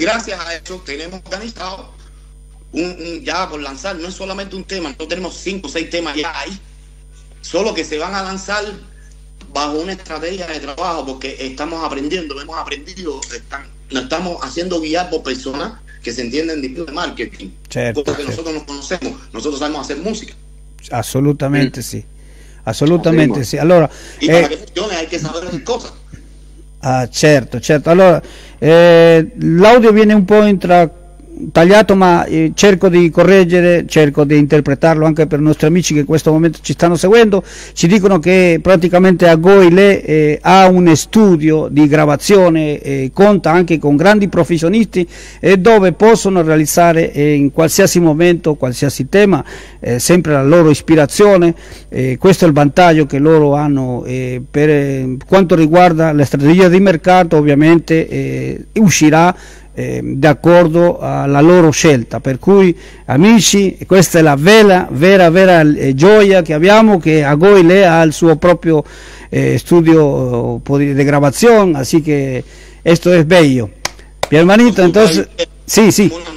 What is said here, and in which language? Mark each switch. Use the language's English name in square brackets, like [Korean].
[Spanish] Gracias a eso tenemos organizado un ya por lanzar, no es solamente un tema, nosotros tenemos 5 o 6 temas ya ahí, solo que se van a lanzar bajo una estrategia de trabajo, porque estamos aprendiendo, hemos aprendido, nos estamos haciendo guiar por personas que se entienden de marketing. Cierto, porque cierto. Nosotros nos conocemos, nosotros sabemos hacer música. Absolutamente, sí. [Italian] Assolutamente sì. Allora, [Spanish] y para que funcione hay que saber cosas. [Italian] Ah, certo, certo. Allora, l'audio viene un po' intratagliato, ma cerco di correggere, cerco di interpretarlo anche per i nostri amici che in questo momento ci stanno seguendo. Ci dicono che praticamente a Goile ha un studio di gravazione, conta anche con grandi professionisti, dove possono realizzare in qualsiasi momento, qualsiasi tema, sempre la loro ispirazione. Questo è il vantaggio che loro hanno per quanto riguarda la strategia di mercato, ovviamente uscirà d'accordo alla loro scelta, per cui amici, questa è la vera gioia che abbiamo, che a Goile ha il suo proprio studio di gravazione, [Spanish] así que esto es bello. Mi hermanito, entonces, sí, sí.